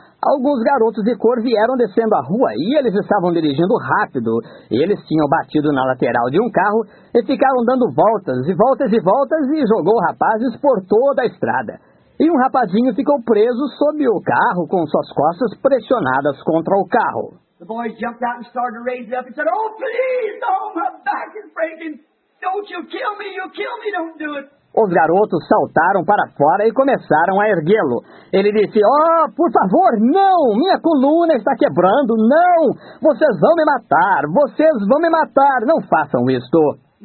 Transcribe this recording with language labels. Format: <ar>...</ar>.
<pt>Alguns garotos de cor vieram descendo a rua e eles estavam dirigindo rápido. Eles tinham batido na lateral de um carro e ficaram dando voltas e voltas e voltas e jogou rapazes por toda a estrada. E um rapazinho ficou preso sob o carro com suas costas pressionadas contra o carro.</pt> <en>The boys jumped out and started to raise up and said, oh, please, oh, my back is breaking. Don't you kill me, don't do it.</en> <pt>Os garotos saltaram para fora e começaram a erguê-lo. Ele disse, oh, por favor, não, minha coluna está quebrando, não, vocês vão me matar, não façam isto.</pt>